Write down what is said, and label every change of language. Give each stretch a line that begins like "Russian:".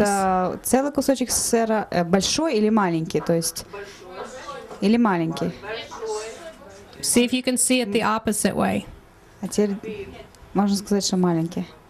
Russian: Это целый кусочек сыра, большой или маленький, то есть или маленький.
English: See if you can see it the opposite way.
Russian: А теперь можно сказать, что маленький.